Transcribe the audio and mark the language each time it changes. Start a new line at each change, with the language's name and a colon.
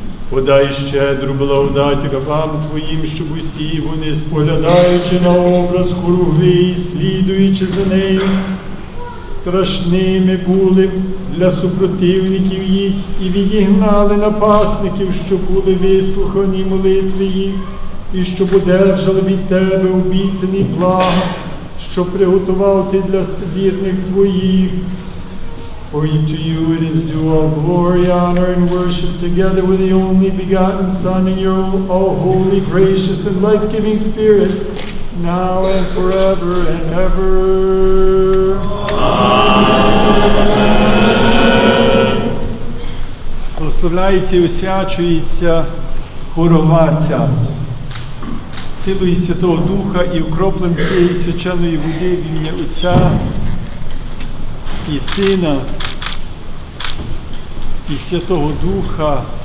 Ukrainian: Подай щедру благодать рабам Твоїм, щоб усі вони, споглядаючи на образ хоругви і слідуючи за нею, страшними були для супротивників їх і відігнали напасників, що були вислухані молитви їх і щоб одержали від Тебе обіцяні блага, що приготував Ти для вірних Твоїх.
English: For to you it is due all glory, honor, and worship, together with the only begotten Son and your all-holy, gracious, and life-giving Spirit, now and forever and ever. Amen.
Ukrainian: Прославляється і освячується хорова ця. Силою Святого Духа і укроплем цієї священної води в ім'я Отця і Сина, і Святого Духа.